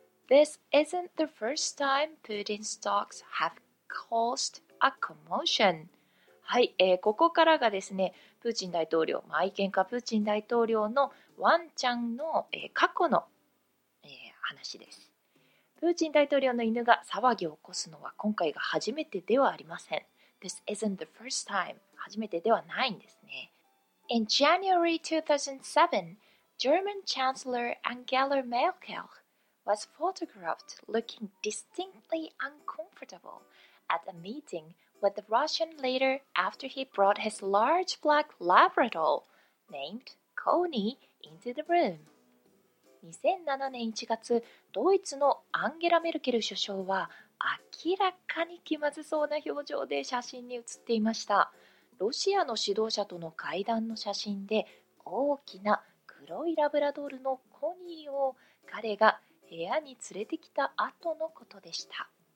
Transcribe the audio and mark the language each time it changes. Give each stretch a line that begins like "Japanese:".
English: This isn't the first time Putin's talks have caused a commotion。
Japanese: はい、ここからがですね、プーチン大統領、愛犬家プーチン大統領のワンちゃんの、過去の、話です。プーチン大統領の犬が騒ぎを起こすのは今回が初めてではありません。
English: This isn't the first time。
Japanese: 初めてではないんですね。
English: In January 2007, German Chancellor Angela Merkel was photographed looking distinctly uncomfortable at a meeting with the Russian leader after he brought his large black Labrador named Coney into the room。
Japanese: 2007年1月、ドイツのアンゲラ・メルケル首相は明らかに気まずそうな表情で写真に写っていました。ロシアの指導者との会談の写真で大きな黒いラブラドールのコニーを彼が部屋に連れてきた後のことでした。